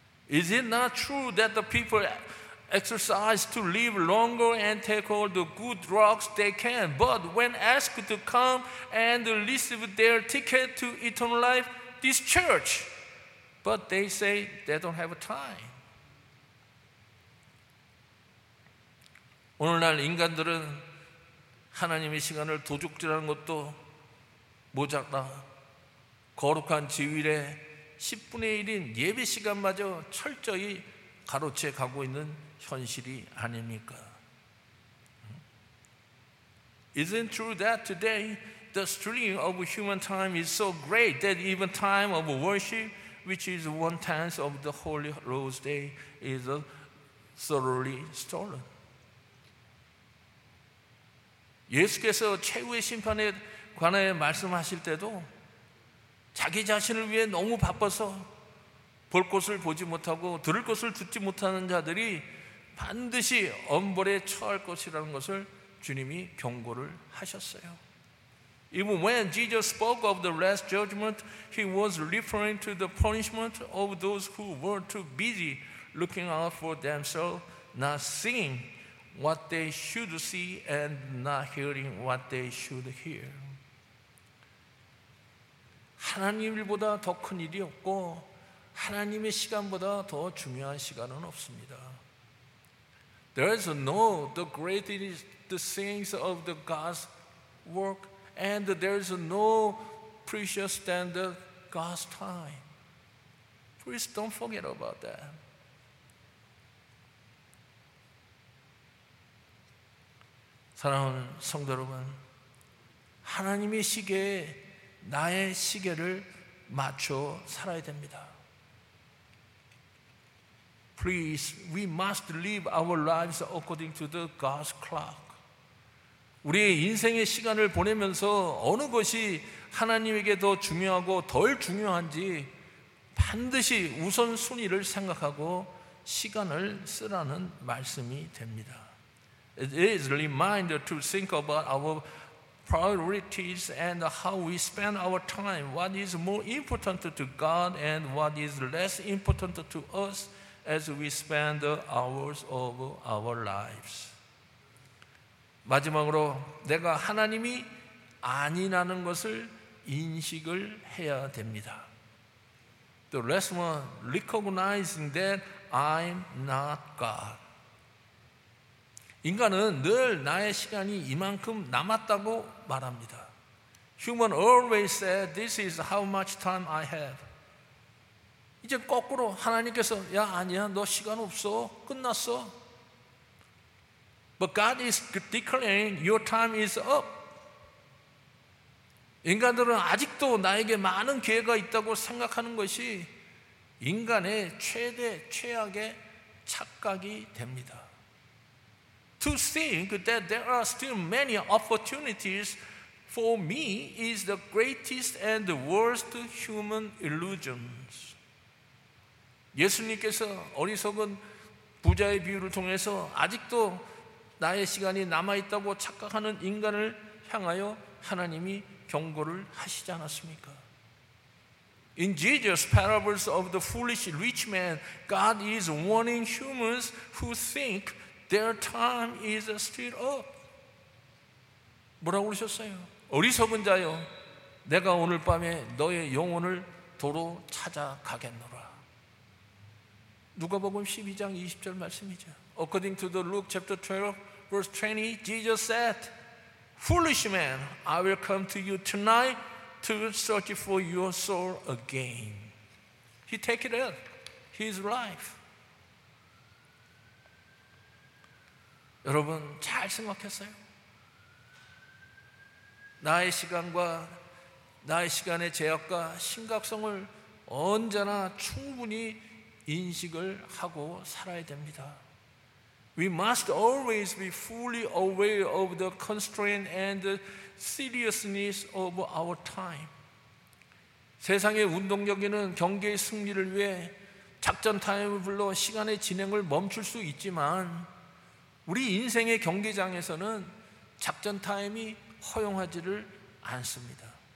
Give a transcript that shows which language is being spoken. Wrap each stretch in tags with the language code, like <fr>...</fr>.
<en>Is it not true that the people exercise to live longer and take all the good drugs they can, but when asked to come and receive their ticket to eternal life, this church, but they say they don't have time.</en> <ko>오늘날 인간들은 하나님의 시간을 도둑질하는 것도 모자라 거룩한 주일에 10분의 1인 예배 시간마저 철저히 가로채 가고 있는 현실이 아닙니까?</ko> <en>Isn't true that today the string of human time is so great that even time of worship, which is one tenth of the Holy Rose Day, is thoroughly stolen?</en> <ko>예수께서 최후의 심판에 관해 말씀하실 때도 자기 자신을 위해 너무 바빠서 볼 것을 보지 못하고 들을 것을 듣지 못하는 자들이 반드시 엄벌에 처할 것이라는 것을 주님이 경고를 하셨어요.</ko> <en>Even when Jesus spoke of the last judgment, he was referring to the punishment of those who were too busy looking out for themselves, not seeing what they should see and not hearing what they should hear.</en> <ko>하나님 일보다 더 큰 일이 없고 하나님의 시간보다 더 중요한 시간은 없습니다.</ko> <en>There is no the greatest the things of the God's work and there is no precious than the God's time. Please don't forget about that.</en> <ko>사랑하는 성도 여러분, 하나님의 시계에 나의 시계를 맞춰 살아야 됩니다.</ko> <en>Please, we must live our lives according to the God's clock.</en> <ko>우리의 인생의 시간을 보내면서 어느 것이 하나님에게 더 중요하고 덜 중요한지 반드시 우선순위를 생각하고 시간을 쓰라는 말씀이 됩니다.</ko> <en>It is a reminder to think about our priorities and how we spend our time, what is more important to God and what is less important to us as we spend the hours of our lives.</en> <ko>마지막으로 내가 하나님이 아니라는 것을 인식을 해야 됩니다.</ko> <en>The last one, recognizing that I'm not God.</en> <ko>인간은 늘 나의 시간이 이만큼 남았다고 말합니다.</ko> <en>Human always said, this is how much time I have.</en> <ko>이제 거꾸로 하나님께서, 야, 아니야, 너 시간 없어, 끝났어.</ko> <en>But God is declaring, your time is up.</en> <ko>인간들은 아직도 나에게 많은 기회가 있다고 생각하는 것이 인간의 최대, 최악의 착각이 됩니다.</ko> <en>To think that there are still many opportunities for me is the greatest and the worst human illusions.</en> <ko>예수님께서 어리석은 부자의 비유를 통해서 아직도 나의 시간이 남아있다고 착각하는 인간을 향하여 하나님이 경고를 하시지 않았습니까?</ko> <en>In Jesus' parables of the foolish rich man, God is warning humans who think their time is still up.</en> <ko>뭐라고 그러셨어요? 어리석은 자여, 내가 오늘 밤에 너의 영혼을 도로 찾아가겠노라. 누가복음 12장 20절 말씀이죠.</ko> <en>According to the Luke chapter 12, verse 20, Jesus said, Foolish man, I will come to you tonight to search for your soul again. He take it up, his life.</en> <ko>여러분 잘 생각했어요? 나의 시간과 나의 시간의 제약과 심각성을 언제나 충분히 인식을 하고 살아야 됩니다.</ko> <en>We must always be fully aware of the constraint and the seriousness of our time.</en> <ko>세상의 운동 경기는 경기의 승리를 위해 작전 타임을 불러 시간의 진행을 멈출 수 있지만 우리 인생의 경기장에서는 작전 타임이 허용하지를 않습니다.</ko>